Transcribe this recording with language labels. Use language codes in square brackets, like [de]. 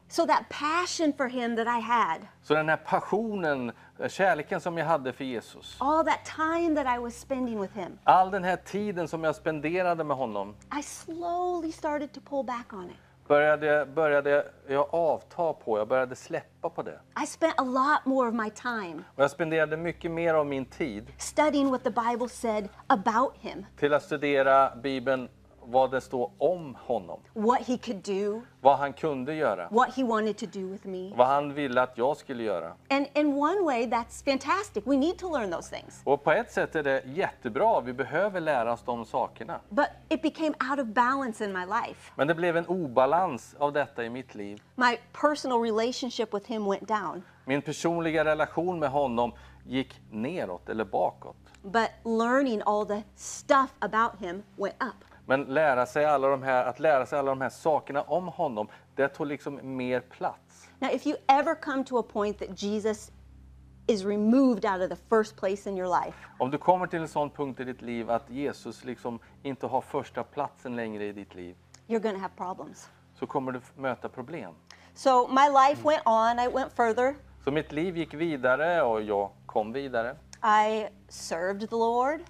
[en] So that passion for him that I had. [sv] Så den här passionen, kärleken som jag hade för Jesus. [en] All that time that I was spending with him. [sv] All den här tiden som jag spenderade med honom. [en] I slowly started to pull back on it. [sv] Började jag avta på, jag började släppa på det. [en] I spent a lot more of my time. [sv] Och jag spenderade mycket mer av min tid. [en] Studying what the Bible said about him. [sv] Till att studera Bibeln. Vad det står om honom. [en] What he could do. [sv] Vad han kunde göra. [en] What he wanted to do with me. [sv] Vad han ville att jag skulle göra. [en] And in one way that's fantastic. We need to learn those things. [sv] Och på ett sätt är det jättebra. Vi behöver lära oss de sakerna. [en] But it became out of balance in my life. [sv] Men det blev en obalans av detta I mitt liv. [en] My personal relationship with him went down. [sv] Min personliga relation med honom gick neråt eller bakåt. [en] But learning all the stuff about him went up. [sv] Men lära sig alla de här att lära sig alla de här sakerna om honom det tog liksom mer plats. [en] Now if you ever come to a point that Jesus is removed out of the first place in your life. [sv] Om du kommer till en sån punkt I ditt liv att Jesus liksom inte har första platsen längre I ditt liv. [en] You're going to have problems. [sv] Så kommer du möta problem. [en] So my life went on, I went further. [sv] Så mitt liv gick vidare och jag kom vidare. [en] I served the Lord.